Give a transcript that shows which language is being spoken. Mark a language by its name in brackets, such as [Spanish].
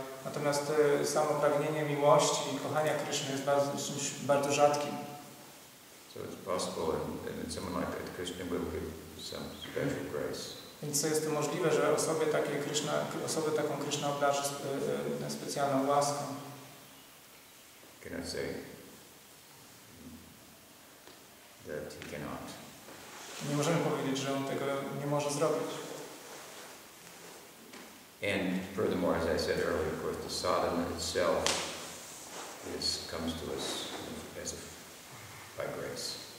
[Polish] Natomiast samo pragnienie miłości i kochania Krishna jest czymś bardzo rzadkim. [English] So it's possible that someone like that Krishna will give some special grace. [Polish] Więc jest to możliwe, że osobę takiej Krishna, osobę taką Krishna obdarzy specjalną łaską. [English] Can I say that he cannot? [Polish] Nie możemy powiedzieć, że on tego nie może zrobić. [English] And furthermore, as I said earlier, of course, the sadhana itself comes to us by grace.